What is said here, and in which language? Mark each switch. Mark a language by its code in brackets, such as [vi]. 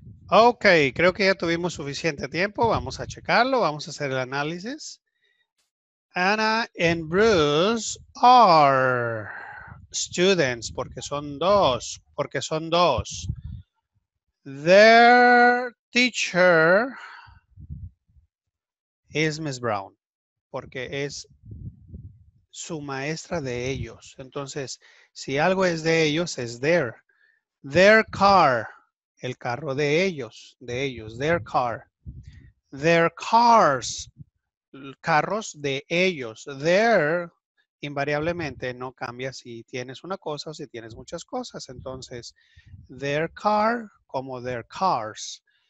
[es] Ok, creo que ya tuvimos suficiente tiempo. Vamos a checarlo. Vamos a hacer el análisis. [en] Anna and Bruce are students. [es] Porque son dos. Porque son dos. [en] Their teacher is Miss Brown. [es] Porque es su maestra de ellos. Entonces, si algo es de ellos, es their. [en] Their car. [es] El carro de ellos, [en] their car. Their cars, [es] carros de ellos. Their, invariablemente, no cambia si tienes una cosa o si tienes muchas cosas. Entonces, [en] their car, [es] como [en] their cars.